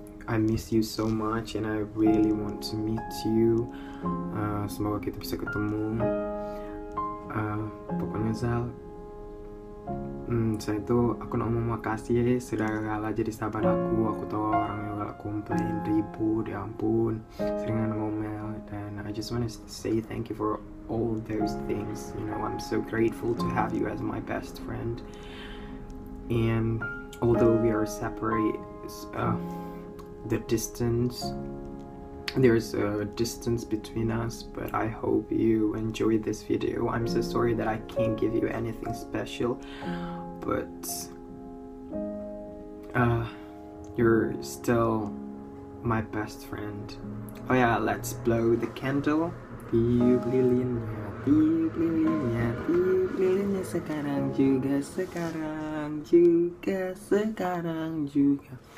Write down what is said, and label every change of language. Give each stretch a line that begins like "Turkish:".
English: I miss you so much and I really want to meet you.
Indonesian: Semoga kita bisa ketemu. Pokoknya Rizal, saya tuh aku nak mau makasih sudah galak jadi sahabat aku. Aku tahu orang yang galak komplain, ribut, ya ampun, seringan ngomel.
English: Dan I just want to say thank you for all those things. You know, I'm so grateful to have you as my best friend. And although we are separate, the distance, there's a distance between us, but I hope you enjoy this video. I'm so sorry that I can't give you anything special, but you're still my best friend. Oh yeah, let's blow the candle.
Indonesian: Tiup lilinnya, sekarang juga.